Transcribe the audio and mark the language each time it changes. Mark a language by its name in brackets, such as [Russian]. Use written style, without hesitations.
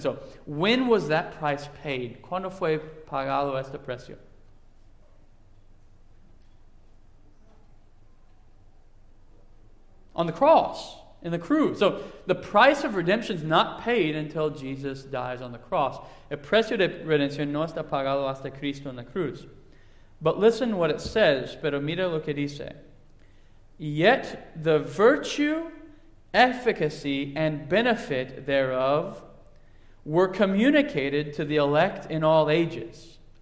[English] So when was that price paid? [Spanish] ¿Cuándo fue pagado este precio? [English] On the cross, in the cruz. So the price of redemption is not paid until Jesus dies on the cross. [Spanish] El precio de redención no está pagado hasta Cristo en la cruz. [English] But listen what it says, [Spanish] pero mira lo que dice. [English] Yet the virtue, efficacy, and benefit thereof were communicated to the elect in all ages.